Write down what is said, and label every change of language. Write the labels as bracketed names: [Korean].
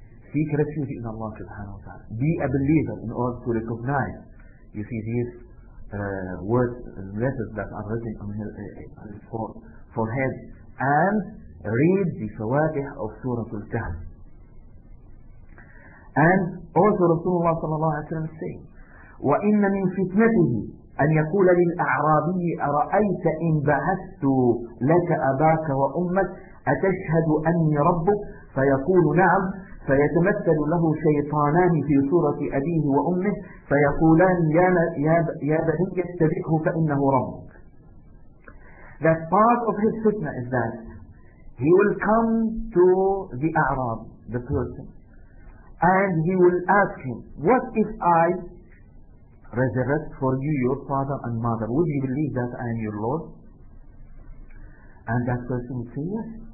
[English] Seek refuge in Allah subhanahu wa ta'ala. Be a believer in order to recognize, you see, these words and letters that are written on his forehead, and read the fawatih of Surah Al-Kahf. And also Rasulullah sallallahu alayhi wa sallam saying, [Arabic] وَإِنَّ مِنْ فِتْنَتِهِ أَنْ يَقُولَ لِلْأَعْرَابِيِّ أَرَأَيْتَ إِنْ بَعَثْتُ لَكَ أَبَاكَ وَأُمَّكَ أَتَشْهَدُ أَنِّي رَبُّكَ فَيَقُولُ نَعَمْ فيتمثل له شيطانان في صورة أبيه وأمه فيقولان يا بني استبقه فإنه ربك. [English] That part of his fitna is that he will come to the أعراب, the person, and he will ask him, what if I resurrect for you your father and mother? Would you believe that I am your Lord? And that person will say yes.